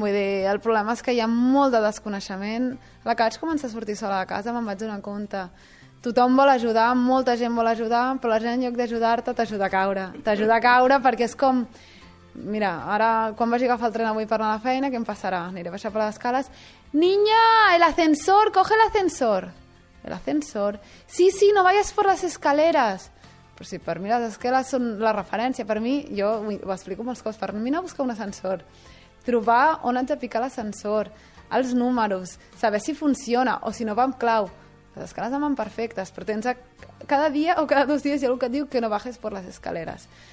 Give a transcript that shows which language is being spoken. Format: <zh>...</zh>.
<ca>Vull dir, el problema és que hi ha molt de desconeixement. La que vaig començar a sortir sola de casa me'n vaig donar compte. Tothom vol ajudar, molta gent vol ajudar, però la gent en lloc d'ajudar-te t'ajuda a caure. T'ajuda a caure perquè és com... Mira, ara quan vagi a agafar el tren avui per anar a la feina, què em passarà? Aniré a baixar per les escales.</ca> <es>Niña, el ascensor, coge el ascensor. El ascensor. Sí, sí, no vayas por las escaleras.</es> <ca>Però si per mi les escales són la referència. Per mi, jo ho explico molts cops, per mi no buscar un ascensor. Trobar on haig de picar l'ascensor, els números, saber si funciona o si no va amb clau. Les escales van perfectes, però tens cada dia o cada dos dies hi ha algú que et diu que no bajes per les escaleres.</ca>